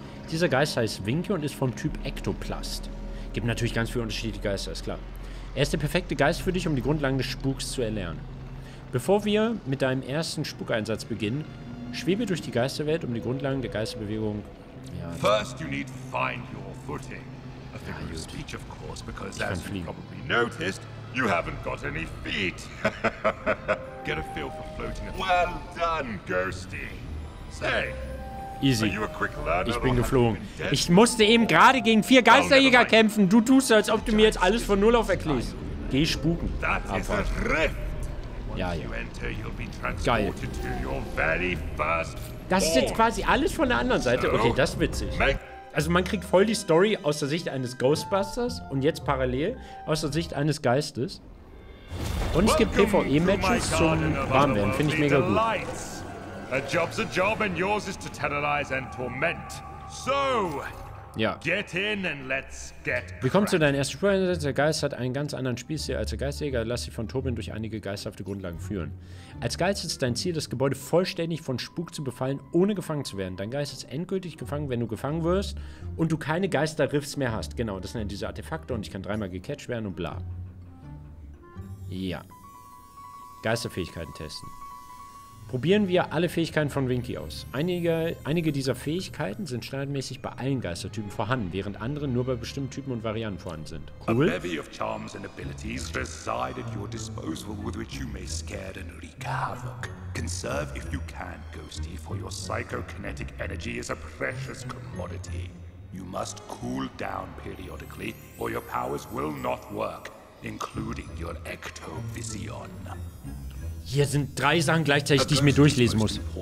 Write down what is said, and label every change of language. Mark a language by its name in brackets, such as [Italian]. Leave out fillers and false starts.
[German] Dieser Geist heißt Winky und ist vom Typ Ektoplast. Gibt natürlich ganz viele unterschiedliche Geister, ist klar. Er ist der perfekte Geist für dich, um die Grundlagen des Spuks zu erlernen. Bevor wir mit deinem ersten Spukeinsatz beginnen, schwebe durch die Geisterwelt, um die Grundlagen der Geisterbewegung... Ja, [English] First you need find your footing. A figure of speech, of course, because as you probably noticed, you haven't got any feet. Get a feel for floating. Well done, ghosty. Say, easy. Are you a quick learner? [German] Ich bin geflogen. Ich musste eben gerade gegen vier Geisterjäger kämpfen. Du tust, als ob du mir jetzt alles von null auf erklärst. Geh spuken. [English] That is a rift. [German] Ja, ja. [English] Enter, you'll be transported to your very first. [German] Das ist jetzt quasi alles von der anderen Seite. Okay, das ist witzig. Also man kriegt voll die Story aus der Sicht eines Ghostbusters und jetzt parallel aus der Sicht eines Geistes. Und es gibt PvE-Matches zum Warmwerden. Finde ich mega gut. [English] A job's a job and yours is to terrorize and torment. [German] So, ja. [English] Get in and let's get [German] Willkommen zu deinem ersten Spieleinsatz. Der Geist hat einen ganz anderen Spielstil als der Geistjäger. Lass dich von Tobin durch einige geisthafte Grundlagen führen. Als Geist ist dein Ziel, das Gebäude vollständig von Spuk zu befallen, ohne gefangen zu werden. Dein Geist ist endgültig gefangen, wenn du gefangen wirst und du keine Geisterriffs mehr hast. Genau, das sind ja diese Artefakte und ich kann dreimal gecatcht werden und bla. Ja. Geisterfähigkeiten testen. Probieren wir alle Fähigkeiten von Winky aus. Einige dieser Fähigkeiten sind standardmäßig bei allen Geistertypen vorhanden, während andere nur bei bestimmten Typen und Varianten vorhanden sind. Cool. [English] A bevy of charms and abilities reside at your disposal, with which you may scare and wreak havoc. Conserve if you can, ghosty, for your psychokinetic energy is a precious commodity. You must cool down periodically, or your powers will not work, including your ectovision. [German] Hier sind drei Sachen gleichzeitig, die ich mir durchlesen muss.